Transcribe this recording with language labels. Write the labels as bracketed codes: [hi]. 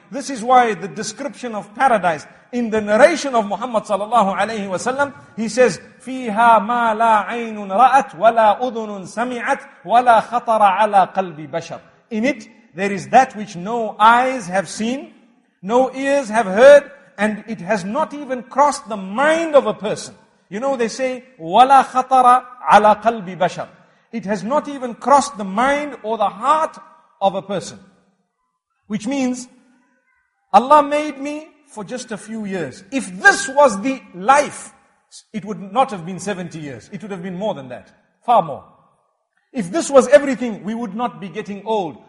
[en] This is why the description of paradise in the narration of Muhammad sallallahu alayhi wa sallam, he says, [ar] فِيهَا مَا لَا عَيْنٌ رَأَتْ وَلَا أُذُنٌ سَمِعَتْ وَلَا خَطَرَ عَلَى قَلْبِ بَشَرٍ. [en] In it, there is that which no eyes have seen, no ears have heard, and it has not even crossed the mind of a person. You know, they say, [ar] وَلَا خَطَرَ عَلَى قَلْبِ بَشَرٍ. [en] It has not even crossed the mind or the heart of a person. Which means, Allah made me for just a few years. If this was the life, it would not have been 70 years. It would have been more than that. Far more. If this was everything, we would not be getting old.